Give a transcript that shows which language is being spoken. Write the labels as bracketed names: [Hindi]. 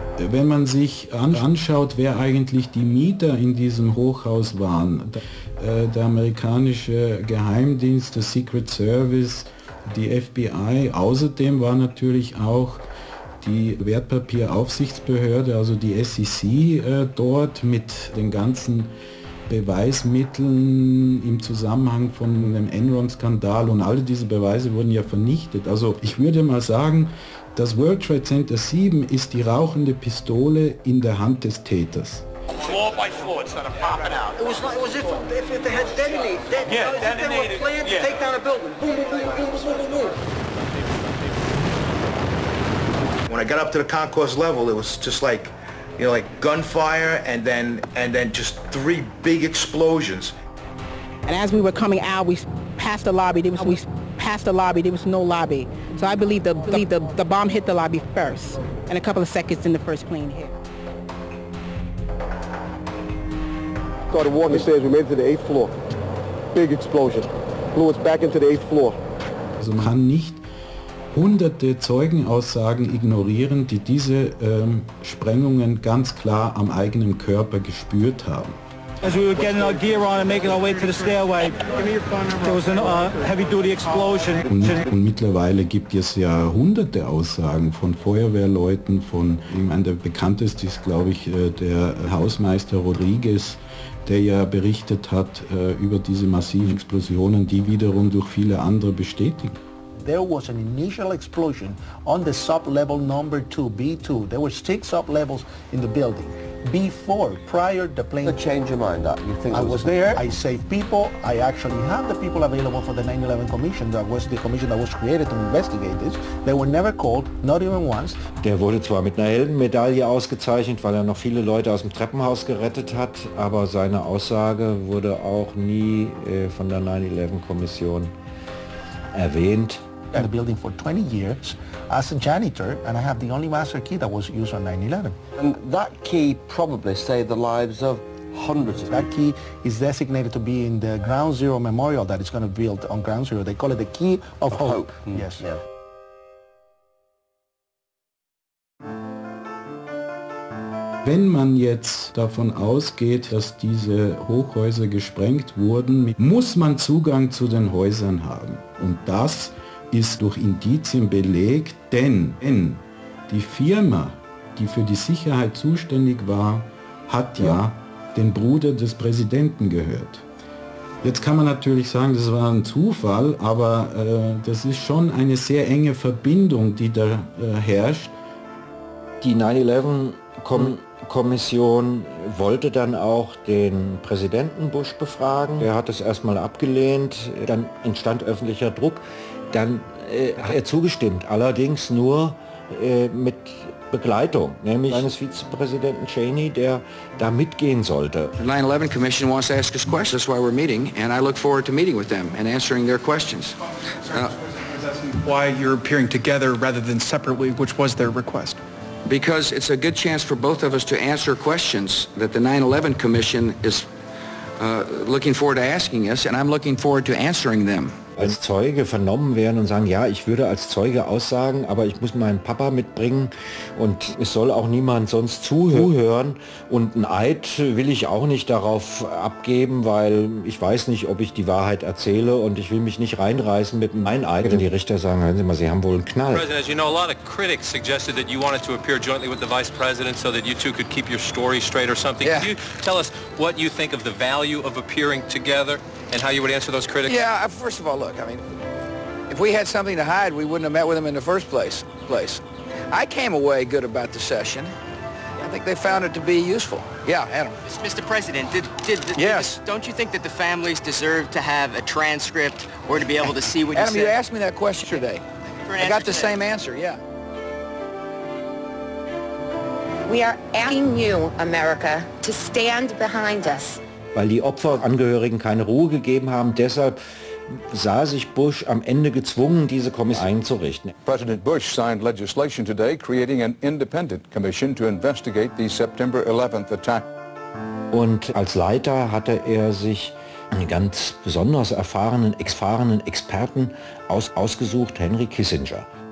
[German] Wenn man sich anschaut, wer eigentlich die Mieter in diesem Hochhaus waren, der amerikanische Geheimdienst, der Secret Service, die FBI, außerdem war natürlich auch die Wertpapieraufsichtsbehörde, also die SEC, dort mit den ganzen Beweismitteln im Zusammenhang von einem Enron-Skandal und alle diese Beweise wurden ja vernichtet. Also ich würde mal sagen, das World Trade Center 7 ist die rauchende Pistole in der Hand des Täters. [English] Floor by floor, it started popping out. It was like, as if they had detonated. Yeah, they were planned to take down a building. Boom, boom, boom, boom, boom, boom, boom. When I got up to the concourse level, it was just like, you know, like gunfire and then just three big explosions. And as we were coming out, we passed the lobby. There was no lobby. So I believe the bomb hit the lobby first. And a couple of seconds in the first plane hit. Started walking the stairs, we made it to the 8th floor. Big explosion. Blew us back into the 8th floor. [German] Also man kann nicht hunderte Zeugenaussagen ignorieren, die diese Sprengungen ganz klar am eigenen Körper gespürt haben. [English] As we were getting our gear on and making our way to the stairway, there was a heavy-duty explosion. [German] Und mittlerweile gibt es ja hunderte Aussagen von Feuerwehrleuten, von, ich meine, der bekannteste ist, glaube ich, der Hausmeister Rodriguez, der ja berichtet hat über diese massiven Explosionen, die wiederum durch viele andere bestätigt. [English] There was an initial explosion on the sub-level number 2, B2. There were 6 sub-levels in the building. Prior to the plane. You change your mind up. You think I was there. I saved people. I actually had the people available for the 9/11 commission. That was the commission that was created to investigate this. They were never called, not even once. [German] Der wurde zwar mit einer Heldenmedaille ausgezeichnet, weil er noch viele Leute aus dem Treppenhaus gerettet hat, aber seine Aussage wurde auch nie von der 9/11 Kommission erwähnt. [English] In the building for 20 years as a janitor, and I have the only master key that was used on 9/11. And that key probably saved the lives of hundreds of people. That key is designated to be in the Ground Zero memorial that is going to be built on Ground Zero. They call it the key of hope. Yes. Yeah. [German] Wenn man jetzt davon ausgeht, dass diese Hochhäuser gesprengt wurden, muss man Zugang zu den Häusern haben. Und das ist durch Indizien belegt, denn die Firma, die für die Sicherheit zuständig war, hat ja den Bruder des Präsidenten gehört. Jetzt kann man natürlich sagen, das war ein Zufall, aber das ist schon eine sehr enge Verbindung, die da herrscht. Die 9-11-Kommission wollte dann auch den Präsidenten Bush befragen. Er hat das erstmal abgelehnt, dann entstand öffentlicher Druck. Dann hat er zugestimmt, allerdings nur mit Begleitung, nämlich eines Vizepräsidenten Cheney, der da mitgehen sollte. [English] The 9/11 Commission wants to ask us questions. That's why we're meeting, and I look forward to meeting with them and answering their questions. Why you're appearing together rather than separately, which was their request? Because it's a good chance for both of us to answer questions that the 9/11 Commission is looking forward to asking us, and I'm looking forward to answering them. [German] Als Zeuge vernommen werden und sagen, ja, ich würde als Zeuge aussagen, aber ich muss meinen Papa mitbringen und es soll auch niemand sonst zuhören und ein Eid will ich auch nicht darauf abgeben, weil ich weiß nicht, ob ich die Wahrheit erzähle und ich will mich nicht reinreißen mit meinem Eid. Wenn die Richter sagen, hören Sie mal, Sie haben wohl einen Knall. [English] President, as you know, a lot of critics suggested that you wanted to appear jointly with the Vice President so that you two could keep your story straight or something. Yeah. Could you tell us what you think of the value of appearing together? And how you would answer those critics? Yeah, first of all, look, I mean, if we had something to hide, we wouldn't have met with them in the first place. I came away good about the session. I think they found it to be useful. Yeah, Adam. Mr. President, Yes. Don't you think that the families deserve to have a transcript or to be able to see what Adam, you said? Adam, you asked me that question today. I got the same answer, yeah. We are asking you, America, to stand behind us. [German] Weil die Opferangehörigen keine Ruhe gegeben haben. Deshalb sah sich Bush am Ende gezwungen, diese Kommission einzurichten. [English] President Bush signed legislation today creating an independent commission to investigate the September 11th attack. [German] Und als Leiter hatte er sich einen ganz besonders erfahrenen Experten ausgesucht, Henry Kissinger.